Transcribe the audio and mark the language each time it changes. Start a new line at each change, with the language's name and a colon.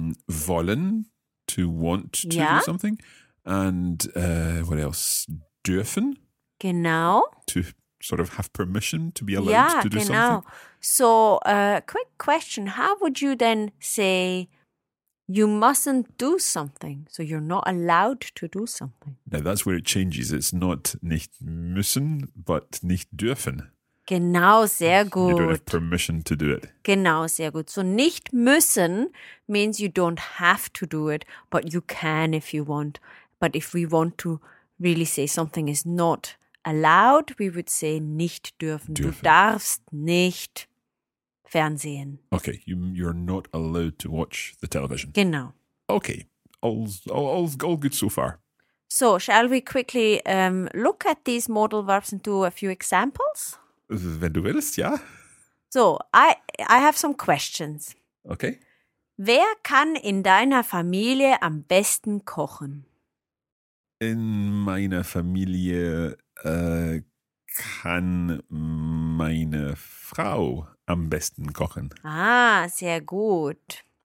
English: wollen, to want to do something, and what else?
German: Dürfen, genau,
English: to sort of have permission to be allowed to do
German: genau.
English: something. So, quick question. How would you then say you mustn't do something? So you're not allowed to do something. Now, that's where it changes. It's not
German: nicht müssen,
English: but
German: nicht dürfen. Genau, sehr gut.
English: You don't have permission to do it.
German: Genau, sehr gut.
English: So
German: nicht müssen
English: means you don't have to do it, but you can if you want. But if we want to really say something is not allowed, we would say
German: nicht dürfen. Du darfst nicht fernsehen.
English: Okay, you're not allowed to watch the television.
German: Genau.
English: Okay, all good so far. So, shall we quickly look at these modal verbs and do a few examples?
German: Wenn du willst, ja.
English: So, I have some questions. Okay.
German: Wer kann in deiner Familie am besten kochen? In meiner Familie kann meine Frau am besten kochen. Ah, sehr gut.